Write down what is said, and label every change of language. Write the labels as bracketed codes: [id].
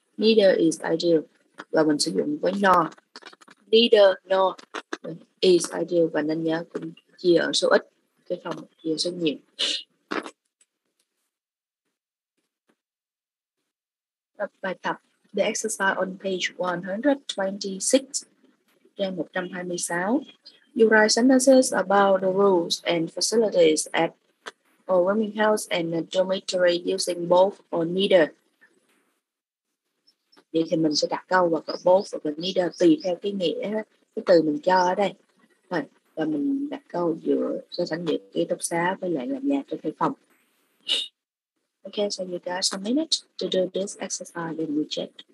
[en] Neither is ideal. [vi] Và mình sử dụng với [en] nor. Neither nor is ideal. [vi] Và nên nhớ cũng chia ở số ít. Cái phòng chia số nhiều. Tập bài tập, [en] the exercise on page 126, [vi] trang 126. [en] You write sentences about the rules and facilities at a rooming house and a dormitory using both or neither. [vi] Vậy thì mình sẽ đặt câu hoặc both và neither tùy theo cái nghĩa, cái từ mình cho ở đây. Và mình đặt câu giữa so sánh giữa ký túc xá với lại là nhà cho thuê phòng. [en] Okay, so you got some minutes to do this exercise and we check.